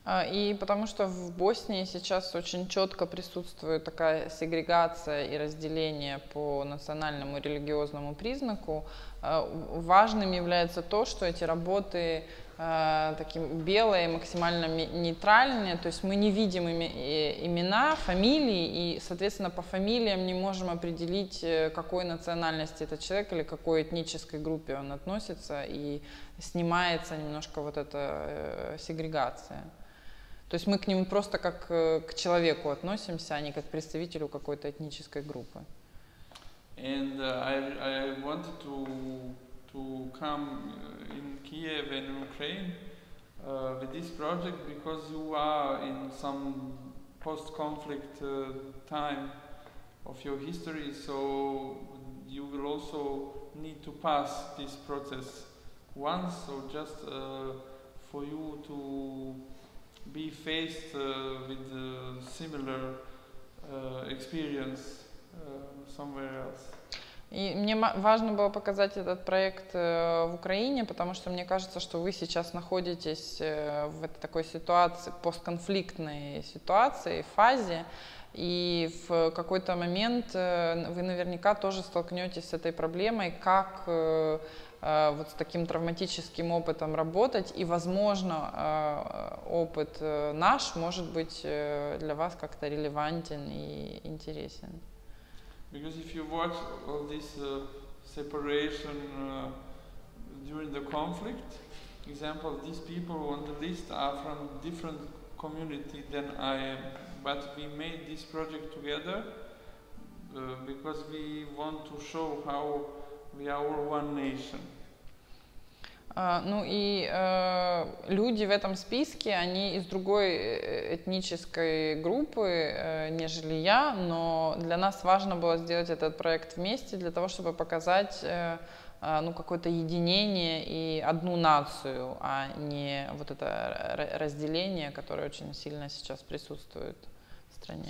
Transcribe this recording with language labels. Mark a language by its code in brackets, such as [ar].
[ru] И потому что в Боснии сейчас очень четко присутствует такая сегрегация и разделение по национальному и религиозному признаку, важным является то, что эти работы таким белые, максимально нейтральные, то есть мы не видим имена, фамилии, и, соответственно, по фамилиям не можем определить, какой национальности этот человек или какой этнической группе он относится, и снимается немножко вот эта сегрегация. То есть мы к нему просто как к человеку относимся, а не как к представителю какой-то этнической группы. [en] And I wanted to come in Kiev and Ukraine with this project because you are in some post-conflict time of your history, so you will also need to pass this process once, so just for you to be faced with a similar experience somewhere else. [ru] И мне важно было показать этот проект в Украине, потому что мне кажется, что вы сейчас находитесь в этой такой ситуации, постконфликтной ситуации, фазе, и в какой-то момент вы наверняка тоже столкнетесь с этой проблемой, как вот с таким травматическим опытом работать, и, возможно, опыт наш может быть для вас как-то релевантен и интересен. [en] Because if you watch all this separation during the conflict, example, these people on the list are from different community than I am, but we made this project together because we want to show how we are one nation. [ru] Ну и люди в этом списке, они из другой этнической группы, нежели я, но для нас важно было сделать этот проект вместе для того, чтобы показать ну, какое-то единение и одну нацию, а не вот это разделение, которое очень сильно сейчас присутствует в стране.